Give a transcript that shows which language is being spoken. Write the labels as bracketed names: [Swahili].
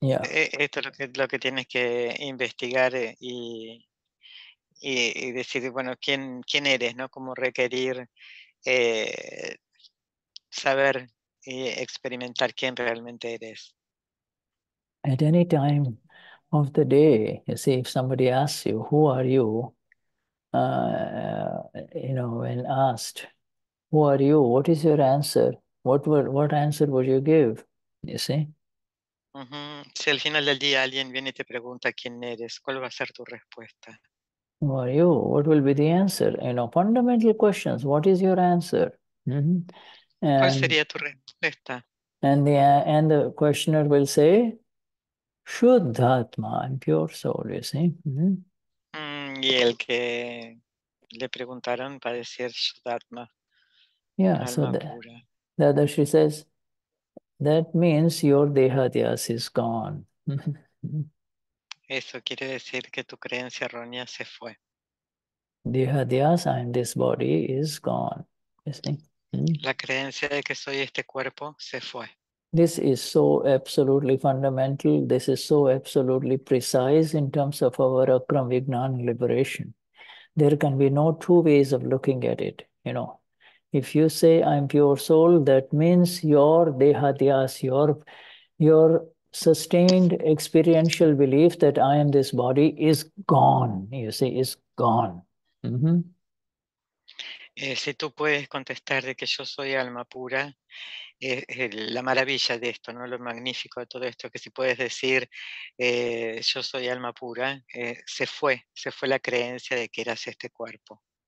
[Spanish] Esto es lo que tienes que investigar y decir, bueno, quién eres, ¿no? Cómo requerir saber y experimentar quién realmente eres. [English] At any time of the day, you see, if somebody asks you, who are you? When asked, who are you? What is your answer? What answer would you give? You see? Mm-hmm. [Spanish] Si al final del día alguien viene y te pregunta quién eres, ¿cuál va a ser tu respuesta? [English] Who are you? What will be the answer? You know, fundamental questions. What is your answer? Mm-hmm. [Spanish] And, ¿cuál sería tu respuesta? [English] And the questioner will say, Shuddhatma, I'm pure soul, you see? Mm-hmm. [Spanish] Y el que le preguntaron va a decir Shuddhatma. [English] Yeah, so that she says, that means your dehadias is gone. [Spanish] Eso quiere decir que tu creencia errónea se fue. [English] Dehadias and this body is gone, you see? [Spanish] La creencia de que soy este cuerpo se fue. [English] This is so absolutely fundamental. This is so absolutely precise in terms of our Akram Vignan liberation. There can be no two ways of looking at it. You know, if you say I'm pure soul, that means your dehadyas, your sustained experiential belief that I am this body is gone. You see, is gone. Mm-hmm. [Spanish] Si tú puedes contestar de que yo soy alma pura, la maravilla de esto, ¿no? Lo magnífico de todo esto, que si puedes decir yo soy alma pura, se fue la creencia de que eras este cuerpo.